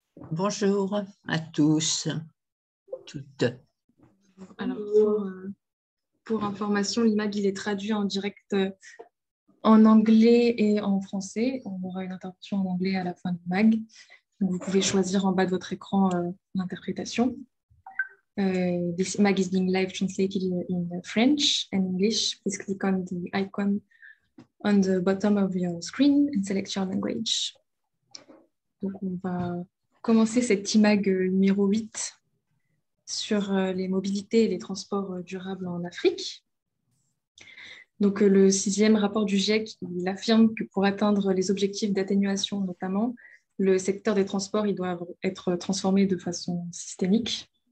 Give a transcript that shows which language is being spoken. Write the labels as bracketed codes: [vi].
[fr] Bonjour à tous, toutes. Alors, pour information, l'IMAG il est traduit en direct en anglais et en français. On aura une interprétation en anglais à la fin de l'IMAG. Vous pouvez choisir en bas de votre écran l'interprétation. [en] This mag is being live translated in French and English. Please click on the icon on the bottom of your screen and select your language. [fr] Donc, on va commencer cette IMAG numéro 8 sur les mobilités et les transports durables en Afrique. Donc, le sixième rapport du GIEC il affirme que pour atteindre les objectifs d'atténuation, notamment, le secteur des transports il doit être transformé de façon systémique.